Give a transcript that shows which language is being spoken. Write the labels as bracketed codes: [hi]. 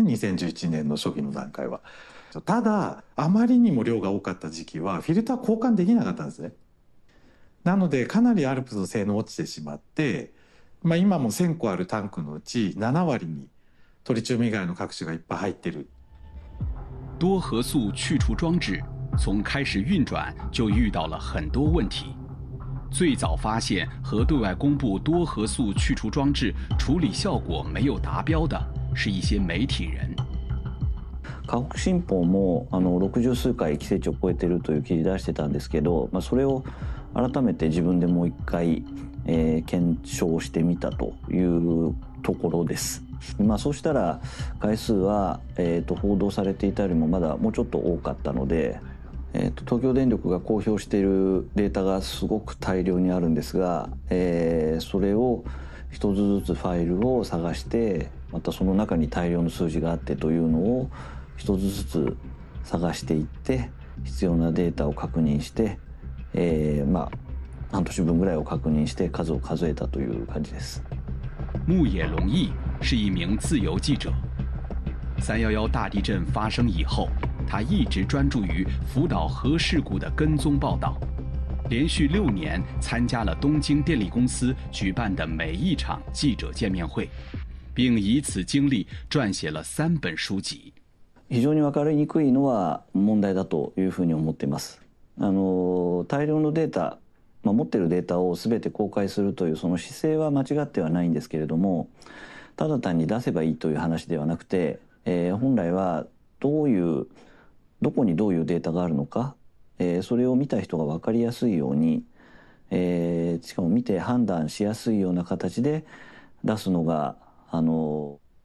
[ja] 2011年の初期の段階は。ただあまりにも量が多かった時期はフィルター交換できなかったんですね。なのでかなりアルプスの性能落ちてしまって、まあ、今も1000個あるタンクのうち7割にトリチウム以外の核種がいっぱい入ってる。 [zh] 多核素去除装置从开始运转就遇到了很多问题。最早发现和对外公布多核素去除装置处理效果没有达标的是一些媒体人。 [ja] 河北新報も60数回規制値を超えてるという記事出してたんですけど、まあ、それを改めて自分でもう一回、検証してみたというところです。まあ、そうしたら回数は報道されていたよりもまだもうちょっと多かったので、東京電力が公表しているデータがすごく大量にあるんですが、それを一つずつファイルを探してまたその中に大量の数字があってというのを一つずつ探していって必要なデータを確認して、まあ半年分ぐらいを確認して数を数えたという感じです。 [zh] 牧野龙一是一名自由记者。311大地震发生以后，他一直专注于福岛核事故的跟踪报道，连续六年参加了东京电力公司举办的每一场记者见面会，并以此经历撰写了三本书籍。 [ja] 非常に分かりにくいのは問題だというふうに思っています。大量のデータ、持っているデータを全て公開するというその姿勢は間違ってはないんですけれども、ただ単に出せばいいという話ではなくて、本来はどこにどういうデータがあるのか、それを見た人が分かりやすいように、しかも見て判断しやすいような形で出すのが誠